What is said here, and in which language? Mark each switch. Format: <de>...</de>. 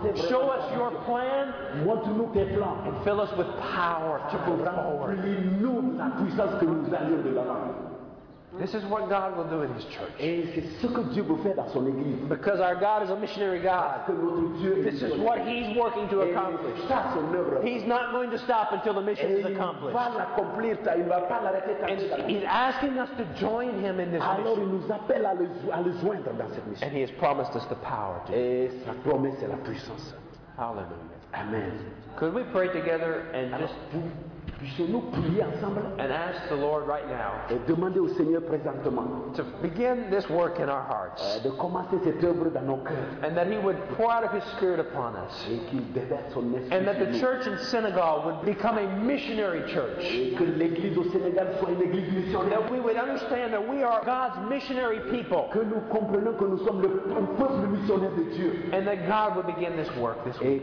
<en>Show us your plan. And fill us with power to go forward. This is what God will do in His church.</en> <fr>Et c'est ce que Dieu veut faire dans son église.</fr> <en>Because our God is a missionary God. This is what He's working to accomplish.</en> <fr>Et son œuvre.</fr> <en>He's not going to stop until the mission</en> <fr>et</fr> <en>is accomplished.</en> <fr>Il va l'accomplir, il va pas l'arrêter tant que ça.</fr> <en>He's asking us to join Him in this</en> <fr>alors,</fr> <en>mission.</en> <fr>Il nous appelle à le joindre dans cette mission.</fr> <en>And He has promised us the power to</en> <fr>et sa promesse est la puissance. Hallelujah. Amen.</fr> <en>Could we pray together and</en> <fr>alors,</fr> <en>just...</en> <fr>Puissions-nous prier ensemble</fr> <en>and ask the Lord right now</en> <fr>et demander au Seigneur présentement</fr> <en>to begin this work in our hearts</en> <fr>de commencer cette œuvre dans nos cœurs</fr> <en>and that he would pour out of his spirit upon us</en> <fr>et qu'il déverse son esprit</fr> <en>and that the church in Senegal would become a missionary church</en> <fr>et que l'église au Sénégal soit une église missionnaire</fr> <en>that we would understand that we are God's missionary people</en> <fr>que nous comprenons que nous sommes un peuple missionnaire de Dieu</fr> <en>and that God would begin this work this week</en>